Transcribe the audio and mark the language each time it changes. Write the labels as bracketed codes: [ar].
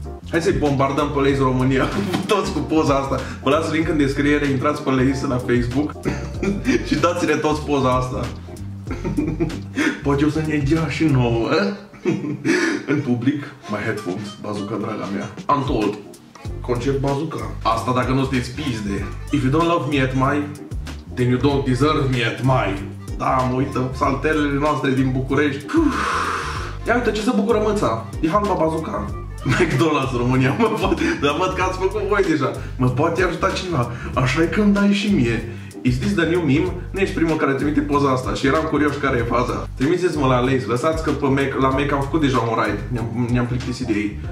[ro] Hai să-i bombardăm pe Lays România. Toți cu poza asta. Vă las link în descriere, intrați pe Lays la Facebook și dați-le toți poza asta. Poate o să ne dea și nouă. În public, [en] my headphones, [ro] Bazooka draga mea. Untold, concert Bazooka. Asta dacă nu sunteți pizde. [en] If you don't love me at my, then you don't deserve me at my. [ro] Da, mă uită, saltelele noastre din București. Puh. Ia uite ce se bucură mânța, e halba Bazooka. McDonald's România, mă poate, dar văd că ați făcut voi deja. Mă poate ajuta cineva, așa e când dai și mie. [en] Is this the new meme? [ro] Nu ești primul care trimite poza asta și eram curios care e faza. Trimiteți-mă la Lays, lăsați că pe Mac, la Mac am făcut deja un raid, ne-am plictisit de ei.